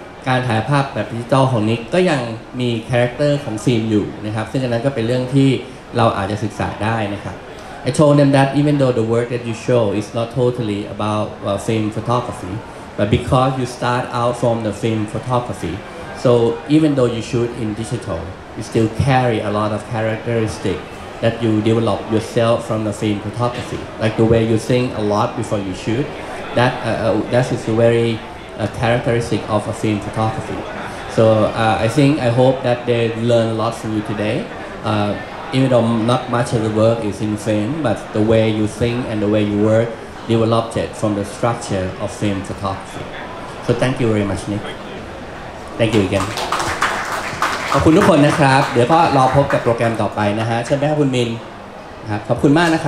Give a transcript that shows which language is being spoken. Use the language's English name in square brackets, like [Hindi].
[Thai] การถ่ายภาพแบบดิจิตอลของนิกก็ยังมีคาแรคเตอร์ของฟิล์มอยู่นะครับซึ่งอันนั้นก็เป็นเรื่องที่เราอาจจะศึกษาได้นะครับ [English] I told them that even though the work that you show is not totally about film photography but because you start out from the film photography so even though you shoot in digital you still carry a lot of characteristicThat you develop yourself from the film photography, like the way you think a lot before you shoot. That that is very characteristic of a film photography. So I hope that they learn a lot from you today. Even though not much of the work is in film, but the way you think and the way you work developed it from the structure of film photography. So thank you very much, Nick. Thank you again. [Thai] ขอบคุณทุกคนนะครับเดี๋ยวก็รอพบกับโปรแกรมต่อไปนะฮะใช่ไหมครับคุณมินครับขอบคุณมากนะครับ